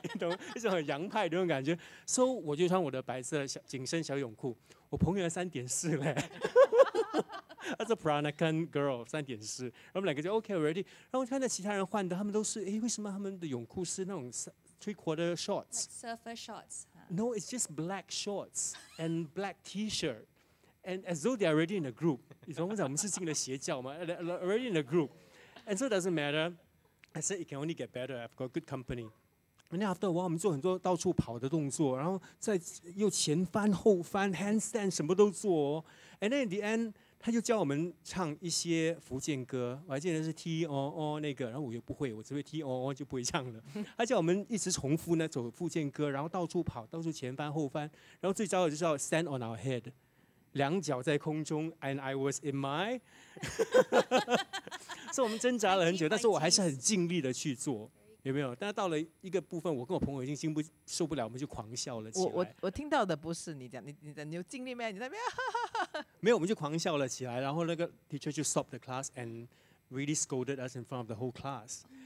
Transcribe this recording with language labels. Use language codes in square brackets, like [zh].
[zh] 懂那种很洋派的那种感觉。So 我就穿我的白色小紧身小泳裤，我朋友3.4嘞。 [en] That's a Peranakan girl, 3.4。 [zh] 然后我们两个就 [en] OK ready。 [zh] 然后看到其他人换的，他们都是哎，为什么他们的泳裤是那种 3/4 shorts？ [en] Like surfer shorts. No, it's just black shorts and black T-shirt, and as though they are already in a group. You know, we said we're in a 邪教 嘛 already in a group, and so it doesn't matter. I said it can only get better. I've got good company. And then after a while, we do [zh] 很多到处跑的动作，然后再又前翻后翻 [en] handstand 什么都做。 And then in the end, [zh] 他就教我们唱一些福建歌。我还记得是 T O O 那个，然后我又不会，我只会 T O O 就不会唱了。他叫我们一直重复那首福建歌，然后到处跑，到处前翻后翻，然后最糟的就是要 [en] stand on our head， [zh] 两脚在空中 ， [en] and I was in my， [zh] 所以我们挣扎了很久，但是我还是很尽力的去做。有没有？但到了一个部分，我跟我朋友已经经不受不了，我们就狂笑了起来。我听到的不是你讲，你有尽力没？你在那边没有，我们就狂笑了起来。然后那个 [en] teacher 就 stop the class and really scolded us in front of the whole class.